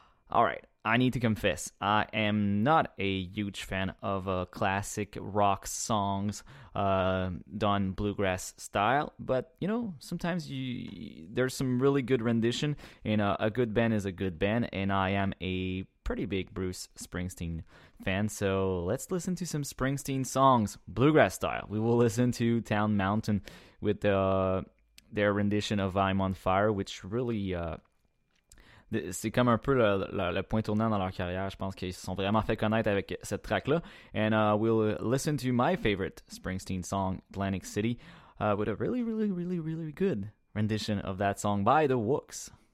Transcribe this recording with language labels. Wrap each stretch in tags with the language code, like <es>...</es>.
<en>All right, I need to confess, I am not a huge fan of classic rock songs done bluegrass style, but, you know, sometimes there's some really good rendition, and a good band is a good band, and I am a pretty big Bruce Springsteen fan, so let's listen to some Springsteen songs, bluegrass style. We will listen to Town Mountain with their rendition of I'm on Fire, which really...</en> <fr>c'est comme un peu le point tournant dans leur carrière. Je pense qu'ils se sont vraiment fait connaître avec cette track-là.</fr> <en>And we'll listen to my favorite Springsteen song, Atlantic City, with a really, really, really, really good rendition of that song by The Wooks.</en>